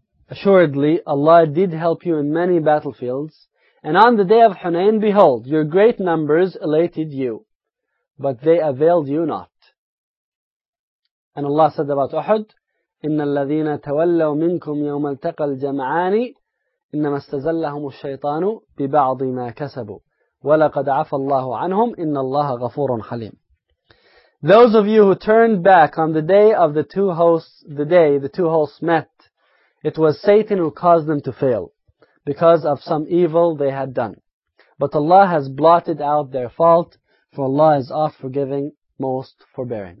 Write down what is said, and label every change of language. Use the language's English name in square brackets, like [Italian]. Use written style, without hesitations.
[English] Assuredly, Allah did help you in many battlefields, and on the day of Hunayn, behold, your great numbers elated you, but they availed you not. [Arabic] And Allah said about Uhud, إِنَّ الَّذِينَ تَوَلَّوْا مِنْكُمْ يَوْمَ الْتَقَى الْجَمْعَانِ إِنَّمَا اسْتَزَلَّهُمُ الشَّيْطَانُ بِبَعْضِ مَا كَسَبُوا وَلَقَدْ عَفَى اللَّهُ عَنْهُمْ إِنَّ اللَّهَ غَفُورٌ حَلِيمٌ. [English] Those of you who turned back on the day of the two hosts, the day the two hosts met, it was Satan who caused them to fail because of some evil they had done. But Allah has blotted out their fault, for Allah is oft forgiving, most forbearing.